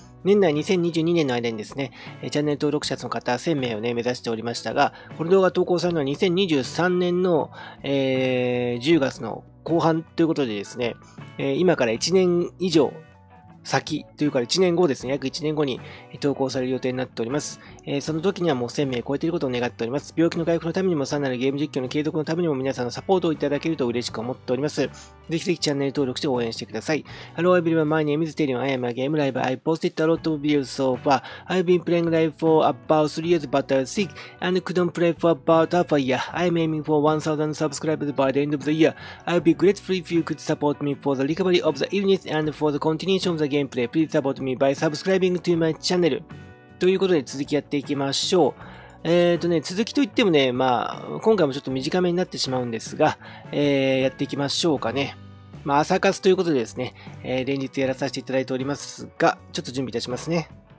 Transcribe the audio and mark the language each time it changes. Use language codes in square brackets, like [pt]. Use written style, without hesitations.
[ja] 年内2022年の間にですね、チャンネル登録者の方1000名をね、目指しておりましたが、この動画投稿されるのは2023年の、10月の後半ということでですね、今から1年以上先というか1年後ですね、約1年後に投稿される予定になっております。その時にはもう1000名を超えていることを願っております。病気の回復のためにも、さらなるゲーム実況の継続のためにも皆さんのサポートをいただけると嬉しく思っております。ぜひぜひチャンネル登録して応援してください。 [en] Hello everyone, my name is Terion. I am a game live. I posted a lot of videos so far. I've been playing live for about 3 years, but I was sick and couldn't play for about half a year. I'm aiming for 1000 subscribers by the end of the year. I'll be grateful if you could support me for the recovery of the illness and for the continuation of the gameplay. Please support me by subscribing to my channel. [ja] ということで続きやっていきましょう。続きといってもね、まあ、今回もちょっと短めになってしまうんですが、やっていきましょうかね。まあ、朝活ということでですね、連日やらさせていただいておりますが、ちょっと準備いたしますね。